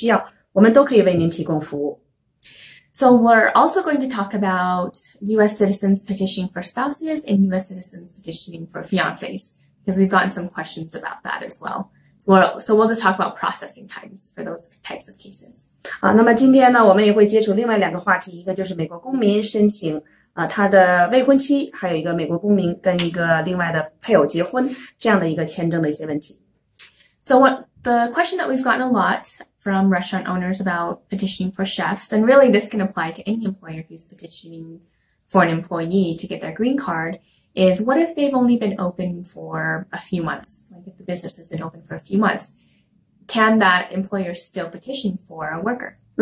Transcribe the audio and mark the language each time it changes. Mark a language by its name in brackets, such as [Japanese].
[Chinese] 那么呢，因为也是美国的移民法是联邦法，虽然我们是在犹他州的，如果在美国其他地方或者世界各地，如果您想了解美国的移民法跟相关的问题或者有相关的需要，我们都可以为您提供服务。 [English] So we're also going to talk about U.S. citizens petitioning for spouses and U.S. citizens petitioning for fiancés, because we've gotten some questions about that as well. So we'll just talk about processing times for those types of cases. [Chinese] 那么今天呢，我们也会接触另外两个话题，一个就是美国公民申请他的未婚妻，还有一个美国公民跟一个另外的配偶结婚这样的一个签证的一些问题。So [English] the question that we've gotten a lot from restaurant owners about petitioning for chefs, and really this can apply to any employer who's petitioning for an employee to get their green card, is what if they've only been open for a few months? Like if the business has been open for a few months, can that employer still petition for a worker?